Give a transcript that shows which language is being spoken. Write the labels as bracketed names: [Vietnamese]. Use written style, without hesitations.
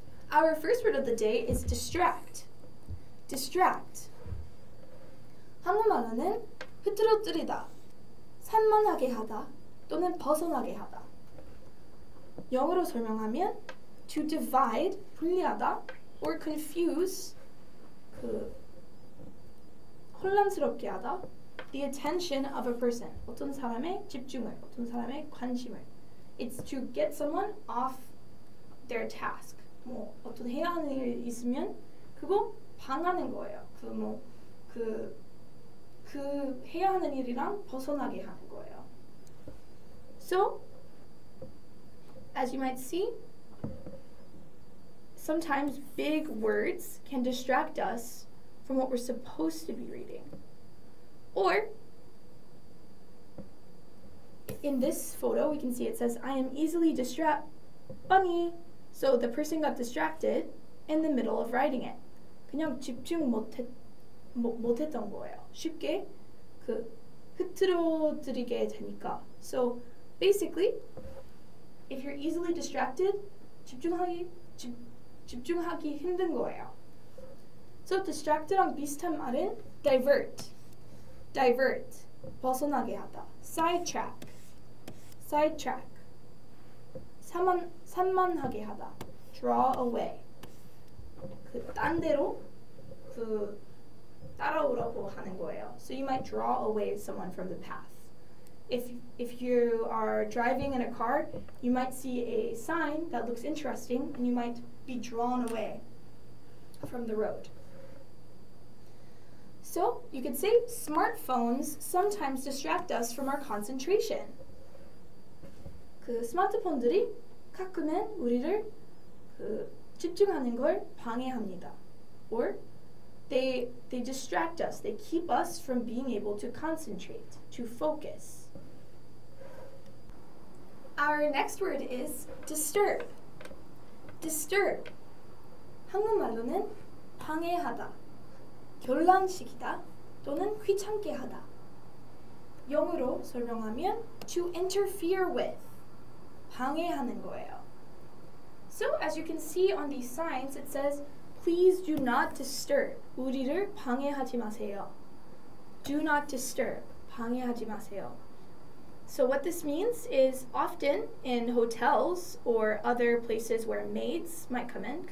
[English] Our first word of the day is distract. Distract. [Korean] 한국말로는 흐트러뜨리다, 산만하게 하다, 또는 벗어나게 하다. 영어로 설명하면 [English] to divide, [Korean] 분리하다, [English] or confuse, [Korean] 그 혼란스럽게 하다. [English] The attention of a person. [Korean] 어떤 사람의 집중을, 어떤 사람의 관심을. [English] It's to get someone off their task. [Korean] 뭐 어떤 해야 하는 일 있으면 그거 방하는 거예요. 그 뭐 그 그 해야 하는 일이랑 벗어나게 하는 거예요. [English] So, as you might see, sometimes big words can distract us from what we're supposed to be reading. Or, in this photo, we can see it says, I am easily distract, bunny. So the person got distracted in the middle of writing it. [Korean] 그냥 집중 못했던 거예요. 쉽게 그 흐트러뜨리게 되니까. [English] So basically, if you're easily distracted, [Korean] 집중하기 힘든 거예요. [English] So distracted [Korean] 랑 비슷한 말은 [English] divert. Divert, [Korean] 벗어나게 하다. [English] Sidetrack, sidetrack. [Korean] 산만하게 하다. [English] Draw away. [Korean] 그 딴 데로 그 따라오라고 하는 거예요. [English] So you might draw away someone from the path. If you are driving in a car, you might see a sign that looks interesting, and you might be drawn away from the road. So, you could say smartphones sometimes distract us from our concentration. [Korean] 그 스마트폰들이 가끔은 우리를 그 집중하는 걸 방해합니다. [English] Or they distract us. They keep us from being able to concentrate, to focus. Our next word is disturb. Disturb. [Korean] 한국말로는 방해하다. 곤란시키다 또는 귀찮게 하다. 영어로 설명하면 [English] to interfere with, [Korean] 방해하는 거예요. [English] So as you can see on these signs, it says please do not disturb. [Korean] 우리를 방해하지 마세요. [English] Do not disturb. [Korean] 방해하지 마세요. [English] So what this means is often in hotels or other places where maids might come in,